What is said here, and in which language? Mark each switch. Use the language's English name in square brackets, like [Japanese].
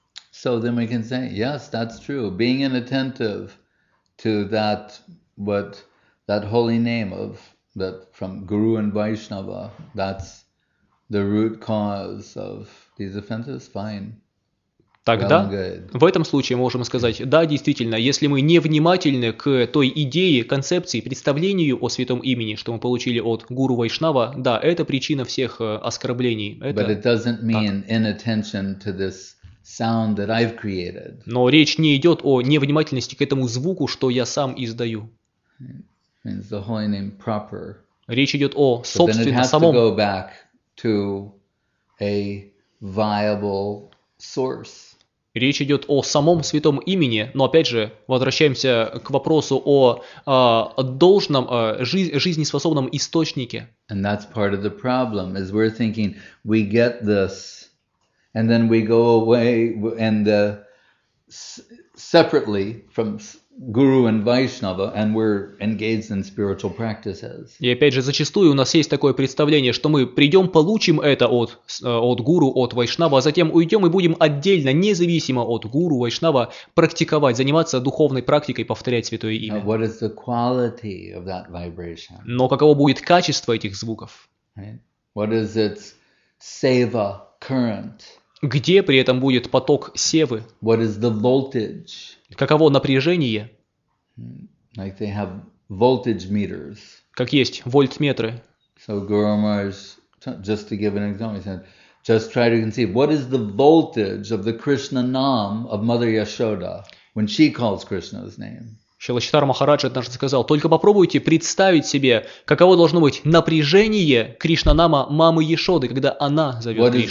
[English] So then we can say, yes, that's true. Being inattentive to that, what that holy name of that from Guru and Vaishnava, that's the root cause of these offenses. Fine. [Russian] Тогда в этом случае можем сказать, да, действительно, если мы невнимательны к той идее, концепции, представлению о святом имени, что мы получили от гуру Вайшнава, да, это причина всех оскорблений. Это [English] but it doesn't mean inattention to this. Sound that I've created. [Russian] Но речь не идет о невнимательности к этому звуку, что я сам издаю. [English] Means the holy name proper. [Russian] Речь идет о собственно самом. [English] But then it has to go back to a viable source. [Russian] Речь идет о самом святом имени, но опять же возвращаемся к вопросу о должном жизнеспособном источнике. [English] And that's part of the problem is we're thinking we get this. And then we go away and separately from Guru and Vaishnava, and we're engaged in spiritual practices. [Russian] И опять же, зачастую у нас есть такое представление, что мы придем, получим это от Гуру, от Вайшнава, а затем уйдем и будем отдельно, независимо от Гуру, Вайшнава, практиковать, заниматься духовной практикой, повторять святое имя. [English] What is the quality of that vibration? [Russian] Но каково будет качество этих звуков? [English] Right. What is its seva current? [Russian] Где при этом будет поток севы? [English] What is the voltage? [Russian] Каково напряжение? [English] Like they have voltage meters. [Russian] Как есть вольтметры. [English] So Guru Maharaj, just to give an example, he said, just try to conceive, what is the voltage of the Krishna Nam of Mother Yashoda when she calls Krishna's name? [Russian] Шрила Читар Махарадж однажды сказал, только попробуйте представить себе, каково должно быть напряжение Кришнанама Мамы Яшоды, когда она зовет